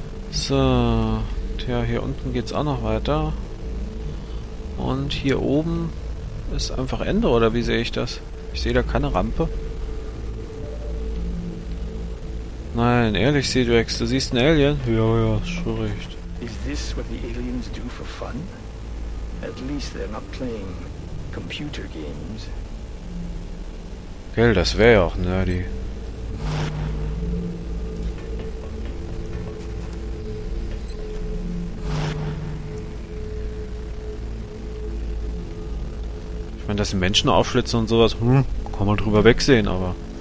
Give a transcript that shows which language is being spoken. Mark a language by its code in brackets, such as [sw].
[de] So, tja, hier unten geht's auch noch weiter. Und hier oben ist einfach Ende, oder wie sehe ich das? Ich sehe da keine Rampe. Nein, ehrlich, Cedrex, du siehst einen Alien? Ja, ja, schon recht. [en] Is this what the aliens do for fun? At least they're not playing computer games. [de] Gell, das wäre ja auch nerdy. Ich meine, dass die Menschen aufschlitzen und sowas, kann man drüber wegsehen, aber.